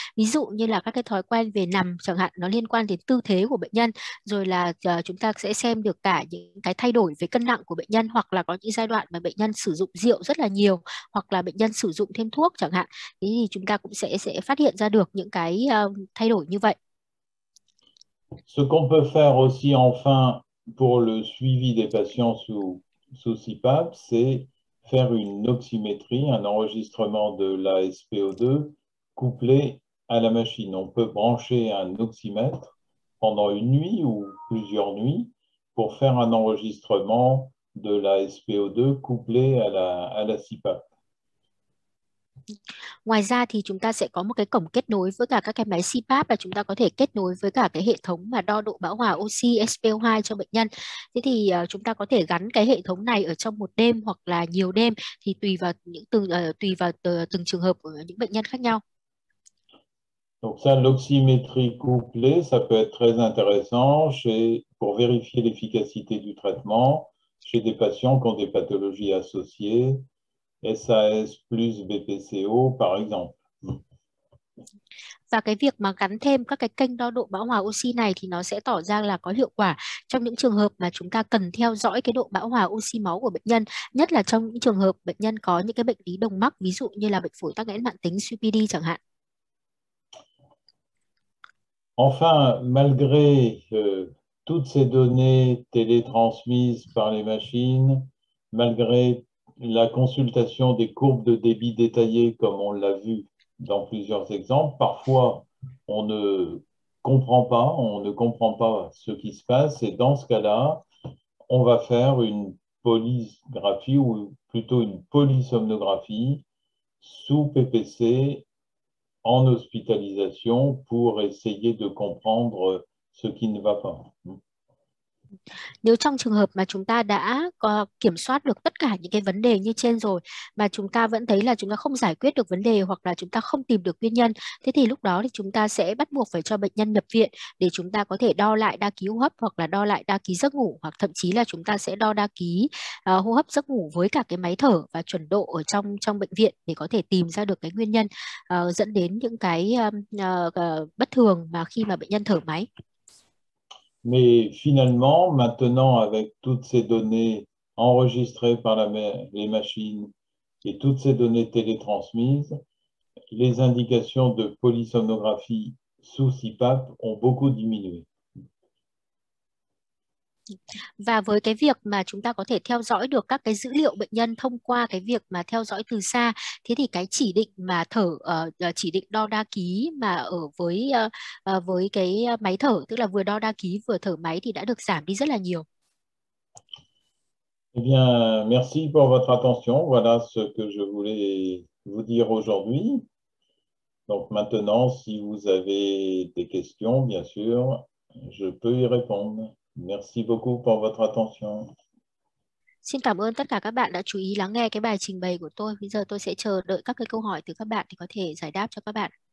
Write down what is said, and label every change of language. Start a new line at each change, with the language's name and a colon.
Vietnamese: Ví dụ như là các cái thói quen về nằm chẳng hạn, nó liên quan đến tư thế của bệnh nhân, rồi là chúng ta sẽ xem được cả những cái thay đổi về cân nặng của bệnh nhân, hoặc là có những giai đoạn mà bệnh nhân sử dụng rượu rất là nhiều hoặc là bệnh nhân sử dụng thêm thuốc chẳng hạn. Thế thì chúng ta cũng sẽ phát hiện ra được những cái thay đổi như vậy.
French: Ce qu'on peut faire aussi enfin pour le suivi des patients sous CPAP, c'est faire une oxymétrie, un enregistrement de la SpO2 couplé à la machine. On peut brancher un oxymètre pendant une nuit ou plusieurs nuits pour faire un enregistrement de la SpO2 couplé à la CPAP.
Vietnamese: Ngoài ra thì chúng ta sẽ có một cái cổng kết nối với cả các cái máy CPAP và chúng ta có thể kết nối với cả cái hệ thống mà đo độ bão hòa oxy SpO2 cho bệnh nhân. Thế thì chúng ta có thể gắn cái hệ thống này ở trong một đêm hoặc là nhiều đêm thì tùy vào từng trường hợp của những bệnh nhân khác nhau.
French: Donc ça, l'oxymétrie couplée, ça peut être très intéressant pour vérifier l'efficacité du traitement chez des patients qui ont des pathologies associées, SAS plus BPCO, par exemple.
Vietnamese: Và cái việc mà gắn thêm các cái kênh đo độ bão hòa oxy này thì nó sẽ tỏ ra là có hiệu quả trong những trường hợp mà chúng ta cần theo dõi cái độ bão hòa oxy máu của bệnh nhân, nhất là trong những trường hợp bệnh nhân có những cái bệnh lý đồng mắc, ví dụ như là bệnh phổi tắc nghẽn mãn tính CPD chẳng hạn.
French: Enfin, malgré toutes ces données télétransmises par les machines, malgré la consultation des courbes de débit détaillées, comme on l'a vu dans plusieurs exemples, parfois on ne comprend pas ce qui se passe, et dans ce cas-là, on va faire une polysomnographie ou plutôt une polysomnographie sous PPC en hospitalisation pour essayer de comprendre ce qui ne va pas.
Vietnamese: Nếu trong trường hợp mà chúng ta đã có kiểm soát được tất cả những cái vấn đề như trên rồi mà chúng ta vẫn thấy là chúng ta không giải quyết được vấn đề hoặc là chúng ta không tìm được nguyên nhân, thế thì lúc đó thì chúng ta sẽ bắt buộc phải cho bệnh nhân nhập viện để chúng ta có thể đo lại đa ký hô hấp hoặc là đo lại đa ký giấc ngủ, hoặc thậm chí là chúng ta sẽ đo đa ký hô hấp giấc ngủ với cả cái máy thở và chuẩn độ ở trong trong bệnh viện để có thể tìm ra được cái nguyên nhân dẫn đến những cái bất thường mà khi mà bệnh nhân thở máy.
French: Mais finalement, maintenant, avec toutes ces données enregistrées par les machines et toutes ces données télétransmises, les indications de polysomnographie sous CPAP ont beaucoup diminué.
Vietnamese: Và với cái việc mà chúng ta có thể theo dõi được các cái dữ liệu bệnh nhân thông qua cái việc mà theo dõi từ xa, thế thì cái chỉ định mà thở chỉ định đo đa ký mà ở với cái máy thở, tức là vừa đo đa ký vừa thở máy, thì đã được giảm đi rất là nhiều.
French: Eh bien, merci pour votre attention. Voilà ce que je voulais vous dire aujourd'hui. Donc maintenant, si vous avez des questions, bien sûr, je peux y répondre. Merci beaucoup pour votre attention.
Vietnamese: Xin cảm ơn tất cả các bạn đã chú ý lắng nghe cái bài trình bày của tôi. Bây giờ tôi sẽ chờ đợi các cái câu hỏi từ các bạn thì có thể giải đáp cho các bạn.